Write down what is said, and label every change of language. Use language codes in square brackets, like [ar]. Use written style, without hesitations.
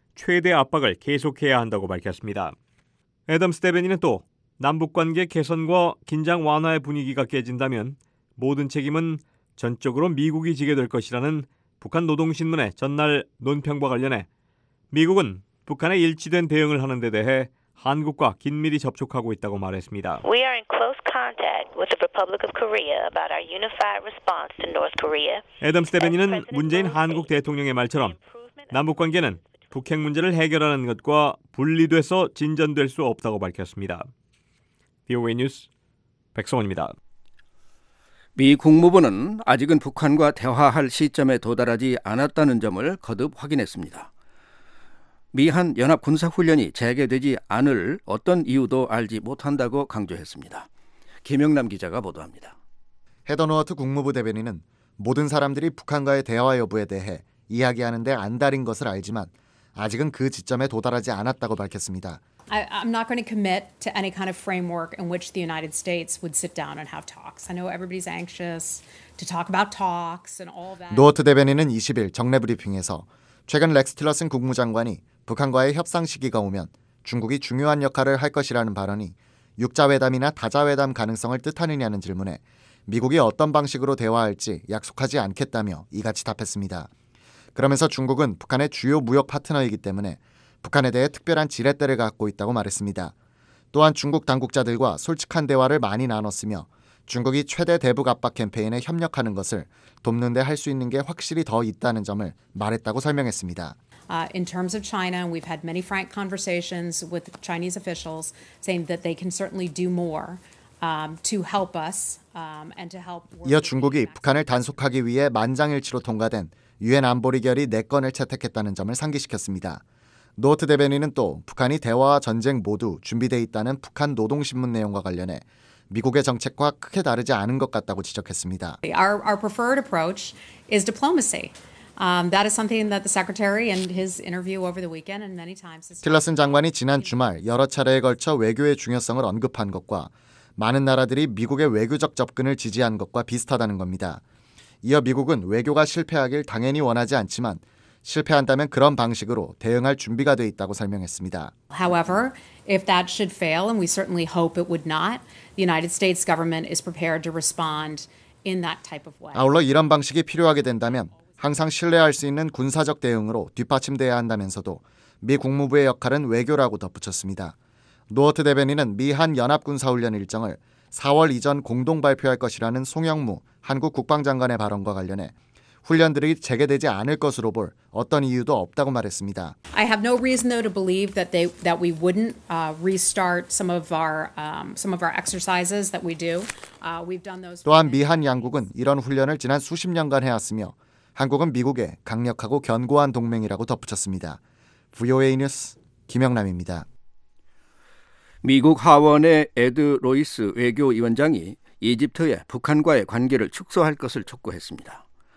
[ko] 최대 압박을 계속해야 한다고 밝혔습니다. 애덤 스테베니는 또 남북관계 개선과 긴장 완화의 분위기가 깨진다면 모든 책임은 전적으로 미국이 지게 될 것이라는 북한 노동신문의 전날 논평과 관련해 미국은 북한의 일치된 대응을 하는 데 대해 한국과 긴밀히 접촉하고 있다고 말했습니다. [en] We are in close contact with the Republic of Korea about our unified response to North Korea. [ko] 애덤 스테베니는 문재인 한국 대통령의 말처럼 남북관계는 북핵 문제를 해결하는 것과 분리돼서 진전될 수 없다고 밝혔습니다. VOA 뉴스 백성원입니다. 미 국무부는 아직은 북한과 대화할 시점에 도달하지 않았다는 점을 거듭 확인했습니다. 미한 연합군사훈련이 재개되지 않을 어떤 이유도 알지 못한다고 강조했습니다. 김영남 기자가 보도합니다. 헤더 노아트 국무부 대변인은 모든 사람들이 북한과의 대화 여부에 대해 이야기하는 데 안달인 것을 알지만 아직은 그 지점에 도달하지 않았다고 밝혔습니다. [en] I'm not going to commit to any kind of framework in which the United States would sit down and have talks. I know everybody's anxious to talk about talks and all that. [ko] 노어트 대변인은 20일 정례 브리핑에서 최근 렉스 틸러슨 국무장관이 북한과의 협상 시기가 오면 중국이 중요한 역할을 할 것이라는 발언이 6자회담이나 다자회담 가능성을 뜻하느냐는 질문에 미국이 어떤 방식으로 대화할지 약속하지 않겠다며 이같이 답했습니다. 그러면서 중국은 북한의 주요 무역 파트너이기 때문에 북한에 대해 특별한 지렛대를 갖고 있다고 말했습니다. 또한 중국 당국자들과 솔직한 대화를 많이 나눴으며 중국이 최대 대북 압박 캠페인에 협력하는 것을 돕는 데 할 수 있는 게 확실히 더 있다는 점을 말했다고 설명했습니다. [en] In terms of China, we've had many frank conversations with Chinese officials saying that they can certainly do more to help us and to help. [ko] 이어 중국이 북한을 단속하기 위해 만장일치로 통과된 유엔 안보리 결의 4건을 채택했다는 점을 상기시켰습니다. 노어트 대변인은 또 북한이 대화와 전쟁 모두 준비되어 있다는 북한 노동신문 내용과 관련해 미국의 정책과 크게 다르지 않은 것 같다고 지적했습니다. [en] Our preferred approach is diplomacy. That is something that the secretary and his interview over the weekend and many times. [ko] 틸러슨 장관이 지난 주말 여러 차례에 걸쳐 외교의 중요성을 언급한 것과 많은 나라들이 미국의 외교적 접근을 지지한 것과 비슷하다는 겁니다. 이어 미국은 외교가 실패하길 당연히 원하지 않지만 실패한다면 그런 방식으로 대응할 준비가 돼 있다고 설명했습니다. [en] However, if that should fail, and we certainly hope it would not, the United States government is prepared to respond in that type of way. [ko] 아울러 이런 방식이 필요하게 된다면 항상 신뢰할 수 있는 군사적 대응으로 뒷받침돼야 한다면서도 미 국무부의 역할은 외교라고 덧붙였습니다. 노어트 대변인은 미한 연합군사훈련 일정을 4월 이전 공동 발표할 것이라는 송영무 한국 국방장관의 발언과 관련해 훈련들이 재개되지 않을 것으로 볼 어떤 이유도 없다고 말했습니다. [en] I have no reason though to believe that they that we wouldn't restart some of our exercises that we do. We've done those. [ko] 또한 미한 양국은 이런 훈련을 지난 수십 년간 해왔으며 한국은 미국의 강력하고 견고한 동맹이라고 덧붙였습니다. VOA 뉴스 김영남입니다. 미국 하원의 에드 로이스 외교위원장이 이집트에 북한과의 관계를 축소할 것을 촉구했습니다.